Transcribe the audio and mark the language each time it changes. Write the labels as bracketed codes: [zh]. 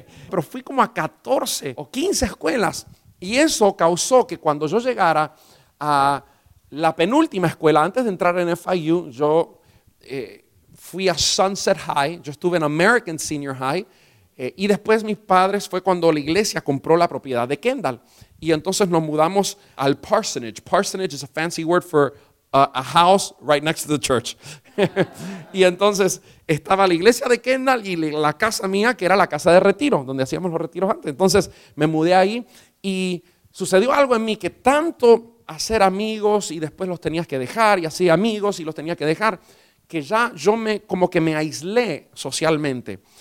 [es] Pero fui como a 14 o 15 escuelas. Y eso causó que cuando yo llegara a la penúltima escuela, antes de entrar en FIU, yo fui a Sunset High, yo estuve en American Senior High. Y después mis padres, fue cuando la iglesia compró la propiedad de Kendall. Y entonces nos mudamos al Parsonage. [en] Parsonage is a fancy word for a house right next to the church. [es] Y entonces estaba la iglesia de Kendall y la casa mía, que era la casa de retiro, donde hacíamos los retiros antes. Entonces me mudé ahí y sucedió algo en mí, que tanto hacer amigos y después los tenías que dejar, y así amigos y los tenía que dejar, que ya yo me como que me aislé socialmente.